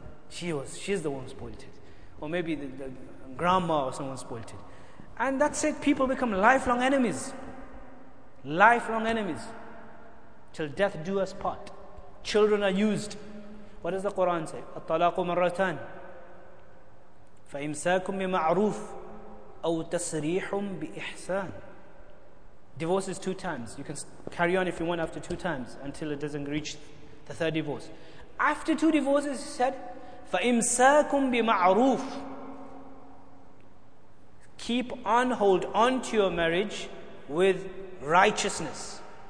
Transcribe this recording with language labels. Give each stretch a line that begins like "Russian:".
English: She's the one who spoiled it. Or maybe the grandma or someone spoiled it. And that's it, people become lifelong enemies. Lifelong enemies. Till death do us part. Children are used. What does the Quran say?
Arabic: At-talaqu marratan. فإمساكم بمعروف أو تصريح بإحسان.
English: Divorce is two times. You can carry on if you want after two times until it doesn't reach the third divorce. After two divorces, he said,
Arabic: فَإِمْسَاكُمْ بِمَعْرُوفٍ.
English: Keep on, hold on to your marriage with righteousness.